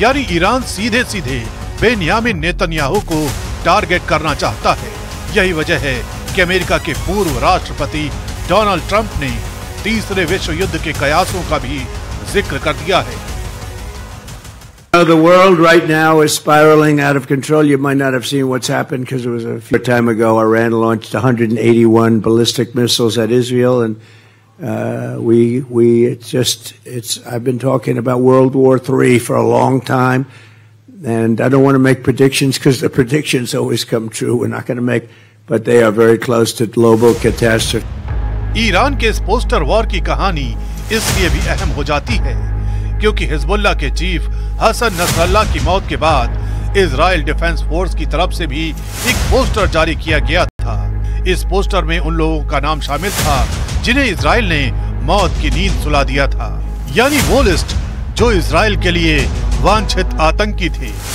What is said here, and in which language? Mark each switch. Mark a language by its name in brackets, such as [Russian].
[Hindi] यानी ईरान सीधे सीधे बेन्यामिन नेतन्याहू को टारगेट करना चाहता है। यही वजह है कि अमेरिका के पूर्व राष्ट्रपति डोनाल्ड ट्रंप ने तीसरे विश्व युद्ध के कयासों का भी जिक्र कर दिया है। [English] The world right now is spiraling out of control. You might not have seen what's happened because it was a few time ago. Iran launched 181 ballistic missiles at Israel and I've been talking about World War III for a long time, and I don't want to make predictions because the predictions always come true. We're not going to make, but they are very close to global catastrophe. [Hindi] Iran के इस poster war की कहानी इसलिए भी अहम हो जाती है क्योंकि हिजबुल्ला के चीफ हसन नसरल्ला की मौत के बाद इजराइल डिफेंस फोर्स की तरफ से भी एक पोस्टर जारी किया गया था। इस पोस्टर में उन लोगों का नाम शामिल था जिन्हें इसराइल ने मौत की नींद सुला दिया था, यानी वो लिस्ट जो इसराइल के लिए वांछित आतंकी थे।